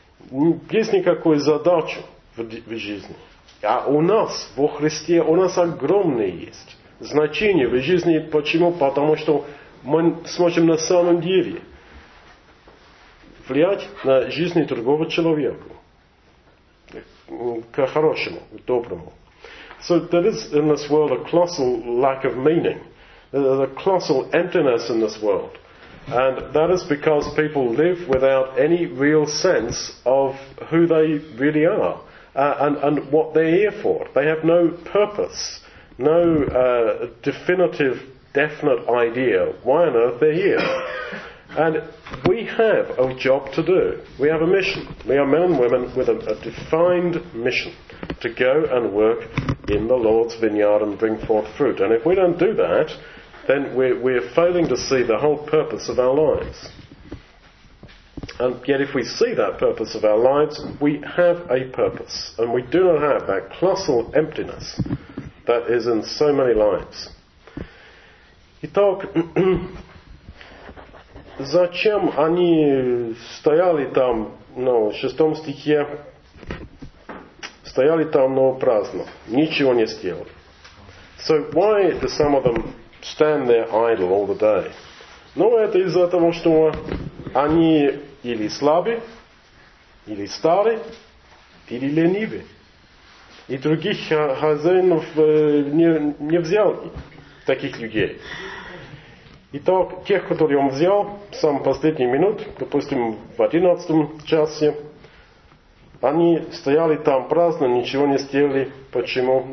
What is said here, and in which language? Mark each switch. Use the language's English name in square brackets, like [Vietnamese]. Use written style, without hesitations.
[Russian] Без никакой задачи в жизни. А у нас, во Христе, у нас огромное есть значение в жизни. Почему? Потому что мы сможем на самом деле влиять на жизнь другого человека. К хорошему, к доброму. [English] So there is in this world a colossal lack of meaning. There is a colossal emptiness in this world. And that is because people live without any real sense of who they really are and what they're here for. They have no purpose, no definite idea why on earth they're here. And we have a job to do. We have a mission. We are men and women with a defined mission to go and work in the Lord's vineyard and bring forth fruit. And if we don't do that, then we're failing to see the whole purpose of our lives. And yet if we see that purpose of our lives, we have a purpose. And we do not have that colossal emptiness that is in so many lives. [Russian] Итак, зачем они стояли там, ну, в шестом стихе, стояли там, но праздно, ничего не сделали. [English] So why do some of them stand there idle all the day? [Russian] Ну, это из-за того, что они или слабы, или стары, или ленивы. И других хозяинов не взял таких людей. Итак, тех, которые он взял в самый последний минут, допустим, в 11 часе, они стояли там праздно, ничего не сделали. Почему?